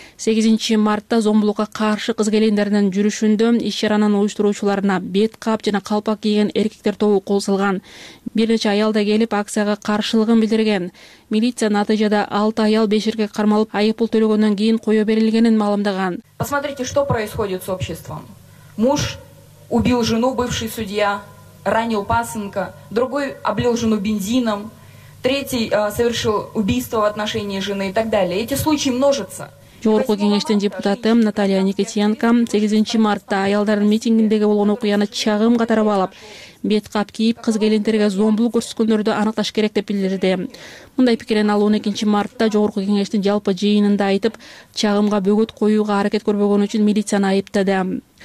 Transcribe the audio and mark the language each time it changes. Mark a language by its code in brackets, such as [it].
[ky] 8 мартта зомбулукка каршы кыз келиндеринин жүрүшүндө иш чаранын уюштуруучуларына бет кап жана калпак кийген эркектер тобу кол салган. Бир нече аял да келип акцияга каршылыгын билдирген. Милиция натыйжада 6 аял 5 эркек кармалып айыппул төлөгөндөн кийин кое берилгенин маалымдаган. [ru] Посмотрите, что происходит с обществом. Муж убил жену, бывший судья, ранил пасынка, другой облил жену бензином, третий совершил убийство в отношении жены и так далее. Эти случаи множатся. [ky] Жогорку кеңештин депутаты Наталья Никитенко 8 мартта аялдардын митингиндеги болгон окуяны чагым катарып алып, бет кап кийип кыз келиндерге зомбулук көрсөткөндөрдү аныкташ керек деп билдирди. Мындай пикирин ал 12 мартта жогорку кеңештин жалпы жыйынында айтып, чагымга бөгөт коюуга аракет көрбөгөнү үчүн милицияны айыптады.